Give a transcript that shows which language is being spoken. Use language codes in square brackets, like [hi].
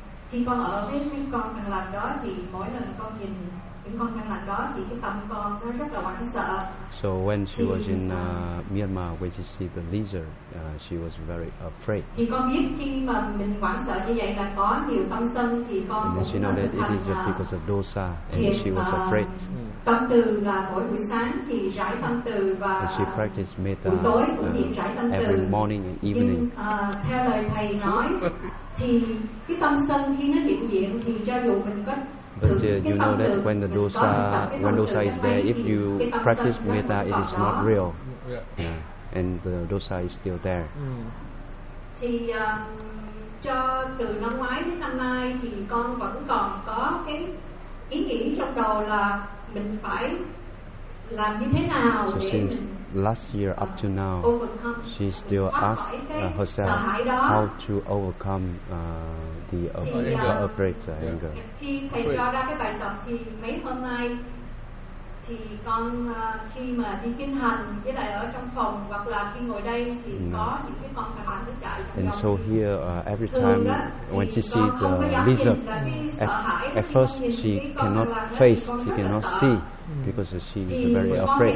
[vi] Khi con ở với con thằng lành đó thì mỗi lần con nhìn những con thằng lành đó thì cái tâm con nó rất là hoảng sợ. [en] So when she was in Myanmar, when she see the lizard, she was very afraid. [vi] Thì con biết khi mà mình hoảng sợ như vậy là có nhiều tâm sân, thì con [en] and she know that it is just because of dosa and she was afraid. [vi] Tâm từ là mỗi buổi sáng thì rải tâm từ, và [en] and she practiced metta [vi] buổi tối cũng niệm rải tâm từ [en] every morning and evening. [vi] Theo lời thầy nói thì cái tâm sân khi nó hiện diện thì cho dù mình có [en] but you know that when the dosa, when dosa is there, if you practice metta, it is not real. Yeah. Yeah. And the dosa is still there. [vi] Thì cho từ năm ngoái đến năm nay thì con vẫn còn có cái ý nghĩ trong đầu là mình phải làm như thế nào để mình [en] last year up to now overcome. She still asked herself how to overcome the outbreak of anger. [vi] Khi thầy cho ra cái bài tập thì mấy hôm nay thì con khi mà đi kinh hành với lại ở trong phòng hoặc là khi ngồi đây thì có những cái con thằng lằn nó chạy vào [en] and so here every time when she sees the lizard at first she cannot face, she cannot see because she is very afraid.